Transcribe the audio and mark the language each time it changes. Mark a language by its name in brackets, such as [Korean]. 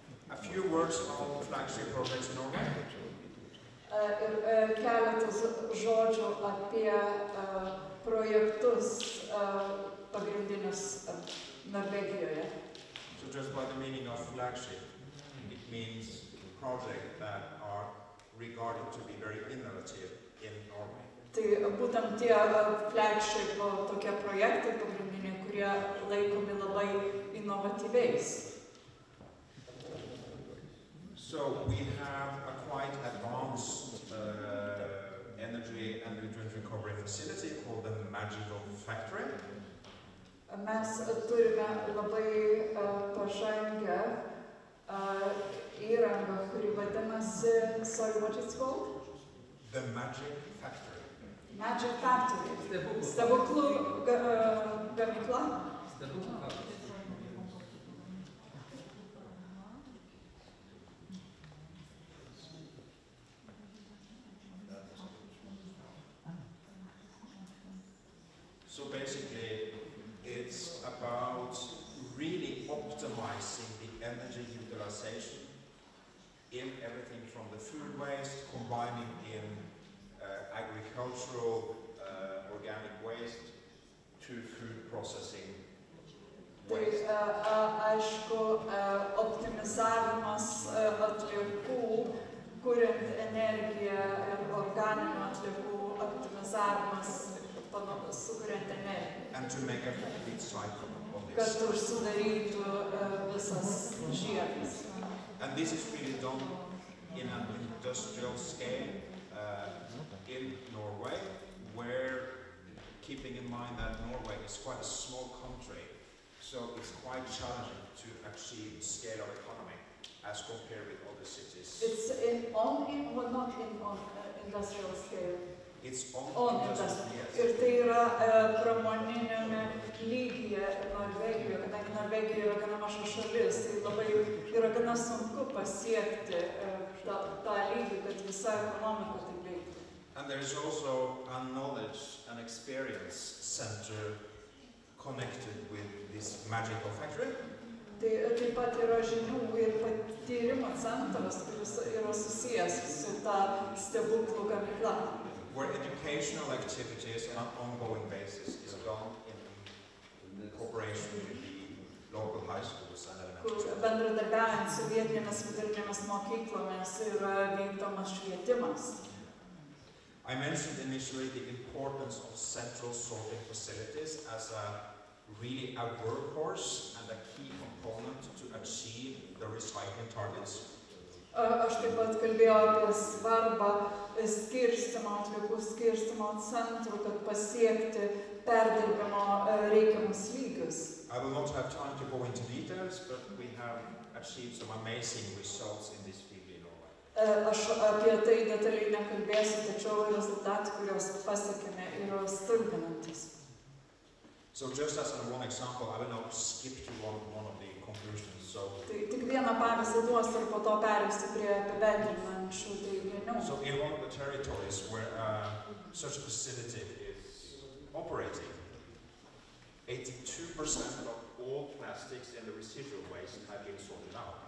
[English] A few words about flagship projects in Norway. [Lithuanian] Keletas žodžių apie projektus pagrindinius Norvegijoje. [English] So just by the meaning of flagship, it means projects that are regarded to be very innovative in Norway. [Lithuanian] Tai būtent tie flagship tokie projektai pagrindiniai, kurie laikomi labai inovatyviais. [English] So we have a quite advanced energy and nutrient recovery facility called the Magical Factory. [Lithuanian] Mes turime labai pažangę įrangą, kuri vadinasi, [English] sorry, what it's called? The Magic Factory. Magic Factory. [Lithuanian] Stebuklų gamykla. [English] So basically, it's about really optimizing the energy utilization in everything from the food waste, combining in agricultural organic waste to food processing waste. [Lithuanian] Aišku, optimizavimas atliekų, kuriant energiją ir organinių atliekų optimizavimas. [English] And to make a complete cycle of this. And this is really done in an industrial scale in Norway, where, keeping in mind that Norway is quite a small country, so it's quite challenging to achieve scale of economy as compared with other cities. It's in only, well, not in industrial scale. It's on the [Lithuanian] ir tai yra pramoninėme lygyje Norvegijoje, kadangi Norvegija yra gana maža šalis, tai labai yra gana sunku pasiekti tą lygį, kad visa ekonomika taip veikia. [English] And there is also a knowledge and experience center connected with this magical factory. [Lithuanian] Tai taip pat yra žinių ir patyrimo centras, kuris yra susijęs su ta stebuklų gamykla. [English] Where educational activities on an ongoing basis is done in cooperation with the local high schools and elementary schools. I mentioned initially the importance of central sorting facilities as a really a workhorse and a key component to achieve the recycling targets. [Lithuanian] Aš taip pat kalbėjau apie svarbą skirstimo atliekų, skirstimo centrų, kad pasiekti perdirbimo reikiamus lygius. [English] I will not have time to go into details, but we have achieved some amazing results in this field in Norway. [Lithuanian] Aš apie tai detaliai nekalbėsiu, tačiau rezultatai, kuriuos pasiekėme, yra stulbinantys. [English] So just as one example, I will not skip to one of the conclusions. So [Lithuanian] tik vieną pavyzdį duos ir po to perėsiu prie apibendrinančių teiginių. [English] So in one of the territories where such a facility is operating, 82% of all plastics in the residual waste have been sorted out.